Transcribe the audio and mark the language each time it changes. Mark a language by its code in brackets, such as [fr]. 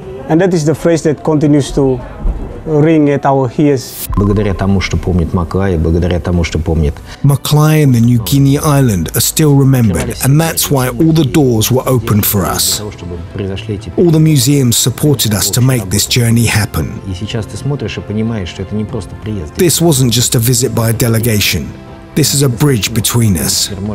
[en] And that is the phrase that continues to ring at our ears. [ru] Благодаря тому, что помнит Маклай, благодаря тому, что помнит. [en] Маклай and the New Guinea Island are still remembered, and that's why all the doors were open for us. All the museums supported us to make this journey happen. [ru] И сейчас ты смотришь и понимаешь, что это не просто приезд. [en] This wasn't just a visit by a delegation. This is a bridge between us.